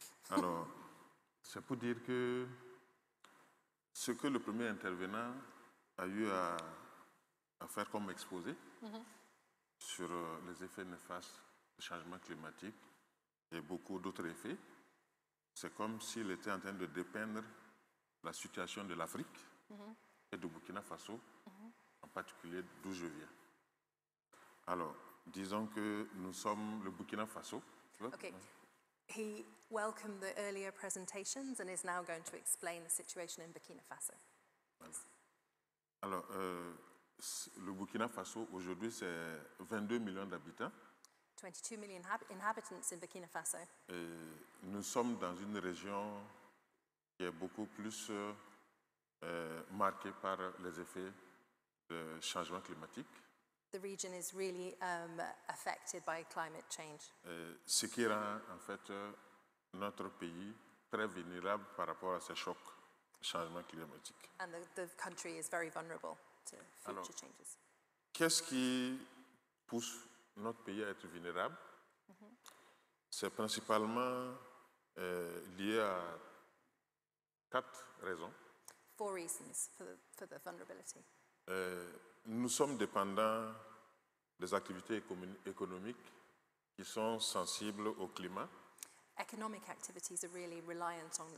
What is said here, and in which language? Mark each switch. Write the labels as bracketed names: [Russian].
[French] Alors, c'est pour dire que ce que le premier intervenant a eu à faire comme exposé sur les effets néfastes du changement climatique et beaucoup d'autres effets, c'est comme s'il était en train de dépeindre la situation de l'Afrique et de Burkina Faso, en particulier d'où je viens. Alors, disons que nous sommes le Burkina Faso. [English] Okay. He welcomed the earlier presentations and is now going to explain the situation in Burkina Faso. [French] Alors, le Burkina Faso, aujourd'hui, c'est 22 millions d'habitants. [English] 22 million inhabitants in Burkina Faso. [French] Et nous sommes dans une région qui est beaucoup plus marquée par les effets du changement climatique. [English] The region is really affected by climate change. [French] Ce qui rend en fait notre pays très vulnérable par rapport à ces chocs de changement climatique. [English] And the country is very vulnerable to future [French] Alors, [English] changes. [French] Qu'est-ce qui pousse notre pays à être vulnérable? C'est principalement lié à quatre raisons. [English] Four reasons for the vulnerability. [French] Nous sommes dépendants des activités économiques qui sont sensibles au climat. [English] Economic activities are really reliant on the climate.